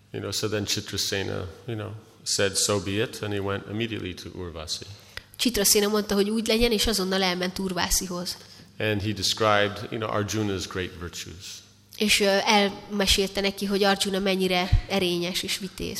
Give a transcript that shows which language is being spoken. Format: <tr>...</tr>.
<en>So then Chitrasena, you know, said so be it and he went immediately to Urvasi.</en> <hu>Chitrasena mondta, hogy úgy legyen és azonnal elment Urvászihoz.</hu> <en>And he described, you know, Arjuna's great virtues.</en> <hu>És elmesélte neki, hogy Arjuna mennyire erényes és vitéz.</hu>